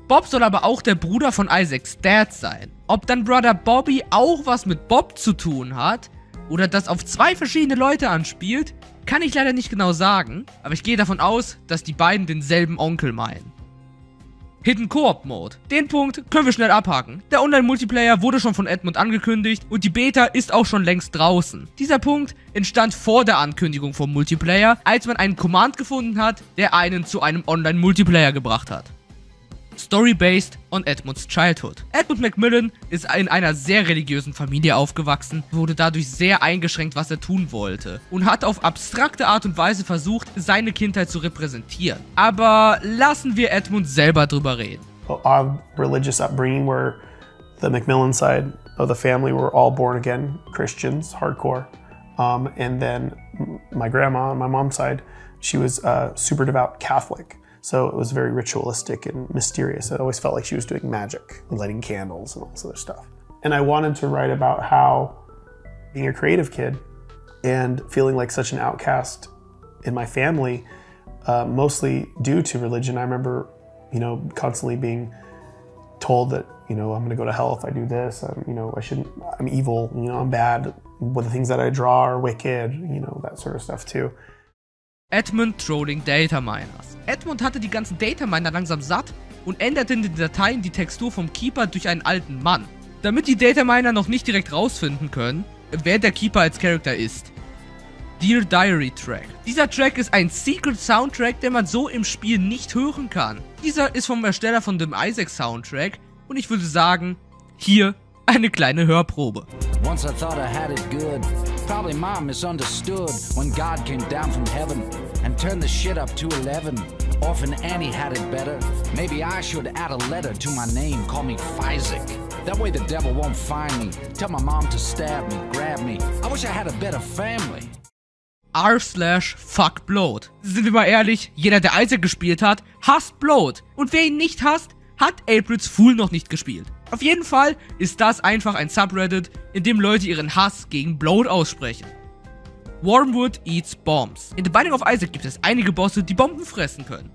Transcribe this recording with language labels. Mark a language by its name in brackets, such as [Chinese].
[German] Bob soll aber auch der Bruder von Isaacs Dad sein. Ob dann Brother Bobby auch was mit Bob zu tun hat oder das auf zwei verschiedene Leute anspielt, kann ich leider nicht genau sagen, aber ich gehe davon aus, dass die beiden denselben Onkel meinen. [English] Hidden Co-op Mode. [German] Den Punkt können wir schnell abhaken. Der Online-Multiplayer wurde schon von Edmund angekündigt und die Beta ist auch schon längst draußen. Dieser Punkt entstand vor der Ankündigung vom Multiplayer, als man einen Command gefunden hat, der einen zu einem Online-Multiplayer gebracht hat. [English] Story based on Edmunds Childhood. [German] Edmund Macmillan ist in einer sehr religiösen Familie aufgewachsen, wurde dadurch sehr eingeschränkt, was er tun wollte und hat auf abstrakte Art und Weise versucht, seine Kindheit zu repräsentieren. Aber lassen wir Edmund selber drüber reden. [English] Our religious upbringing where the Macmillan side of the family were all born again Christians, hardcore. And then my grandma on my mom's side, she was a super devout Catholic. So it was very ritualistic and mysterious. It always felt like she was doing magic, lighting candles and all this other stuff. And I wanted to write about how being a creative kid and feeling like such an outcast in my family, mostly due to religion. I remember, you know, constantly being told that, you know, I'm gonna go to hell if I do this. I'm evil, you know, I'm bad. Well, the things that I draw are wicked, you know, that sort of stuff too. Edmund trolling Data Miners. [German] Edmund hatte die ganzen Data Miner langsam satt und änderte in den Dateien die Textur vom Keeper durch einen alten Mann. Damit die Data Miner noch nicht direkt rausfinden können, wer der Keeper als Charakter ist. [English] Dear Diary Track. [German] Dieser Track ist ein Secret Soundtrack, den man so im Spiel nicht hören kann. Dieser ist vom Ersteller von dem Isaac Soundtrack und ich würde sagen, hier eine kleine Hörprobe. [English] Once I thought I had it good. Probably my misunderstood when God came down from heaven and turned the shit up to 11. Orphan Annie had it better. Maybe I should add a letter to my name, call me Fizek. That way the devil won't find me. Tell my mom to stab me, grab me. I wish I had a better family. r/fuckBloat. [German] Sind wir mal ehrlich, jeder, der Isaac gespielt hat, hasst Bloat. Und wer ihn nicht hasst, hat April's Fool noch nicht gespielt. Auf jeden Fall ist das einfach ein Subreddit, in dem Leute ihren Hass gegen Bloat aussprechen. [English] Wormwood eats bombs. [German] In The Binding of Isaac gibt es einige Bosse, die Bomben fressen können.